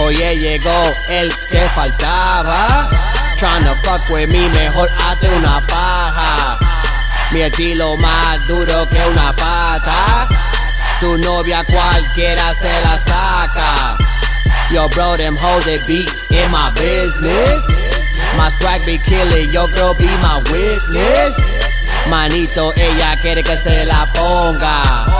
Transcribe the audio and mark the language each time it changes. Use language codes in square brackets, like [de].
[es] Oye, llegó el que faltaba. [en] Tryna fuck with me, [es] mejor hazte una paja. Mi estilo más duro que una pata. Tu novia cualquiera se la saca. [en] Yo bro, them hoes, they be in my business. My swag be killing, yo girl be my witness. [es] Manito, ella quiere que se la ponga.